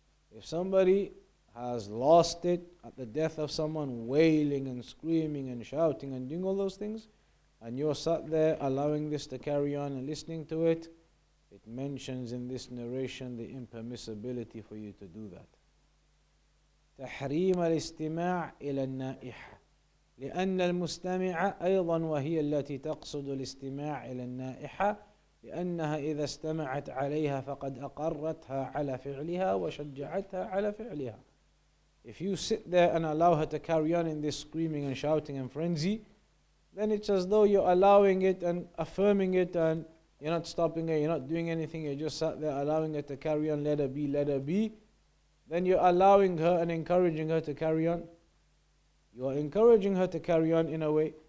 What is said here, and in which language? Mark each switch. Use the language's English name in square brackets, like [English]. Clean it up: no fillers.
[English] If somebody has lost it at the death of someone, wailing and screaming and shouting and doing all those things, and you're sat there allowing this to carry on and listening to it, it mentions in this narration the impermissibility for you to do that. [Arabic] تحريم الاستماع إلى النائحة لأن المستمعة أيضا وهي التي تقصد الاستماع إلى النائحة لأنها إذا استمعت عليها فقد أقرتها على فعلها وشجعتها على فعلها. [English] If you sit there and allow her to carry on in this screaming and shouting and frenzy, then it's as though you're allowing it and affirming it, and you're not stopping it, you're not doing anything, you're just sat there allowing it to carry on, let her be, let her be. Then you're allowing her and encouraging her to carry on. You are encouraging her to carry on in a way.